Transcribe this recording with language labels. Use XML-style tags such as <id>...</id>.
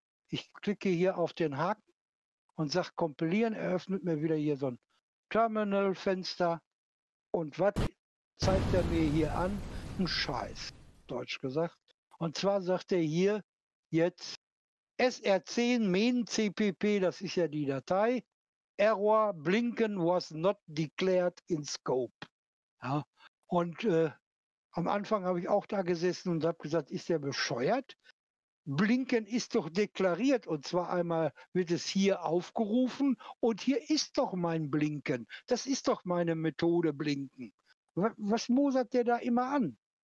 <de>Ich klicke hier auf den Haken und sag kompilieren, eröffnet mir wieder hier so ein Terminal-Fenster. Und was zeigt er mir hier an? Ein Scheiß, deutsch gesagt. Und zwar sagt er hier jetzt SR10 main-cpp, das ist ja die Datei.</de> <en>Error blinken was not declared in scope.</en> <de>Ja. Und am Anfang habe ich auch da gesessen und habe gesagt, ist der bescheuert? Blinken ist doch deklariert und zwar einmal wird es hier aufgerufen und hier ist doch mein Blinken. Das ist doch meine Methode Blinken. Was mosert der da immer an?</de>